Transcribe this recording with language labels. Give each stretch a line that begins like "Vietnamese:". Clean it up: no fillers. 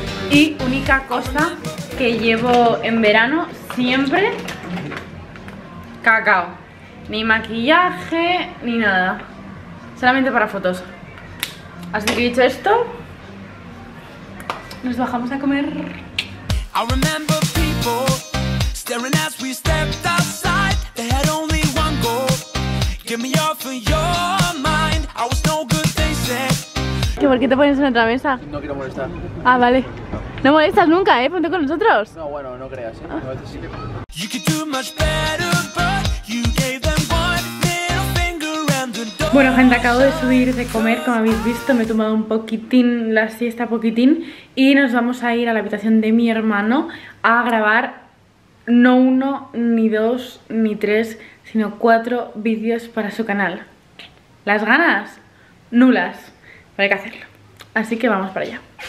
Spanish: Y única cosa que llevo en verano siempre: cacao. Ni maquillaje, ni nada. Solamente para fotos. Así que dicho esto, nos bajamos a comer.
English: I remember people staring as we stepped outside. They had only one goal: give me all for your mind. I was no good, they said.
Spanish: ¿Qué, por qué te pones en otra mesa? No quiero molestar. Ah, vale. No molestas nunca, ponte con nosotros. No, bueno, no creas, ¿eh?
English: You could do much better, but you gave them one little finger and the door.
Spanish: Bueno, gente, acabo de subir de comer, como habéis visto. Me he tomado un poquitín la siesta, poquitín. Y nos vamos a ir a la habitación de mi hermano a grabar no uno, ni dos, ni tres, sino cuatro vídeos para su canal. ¿Las ganas? Nulas. Pero hay que hacerlo. Así que vamos para allá.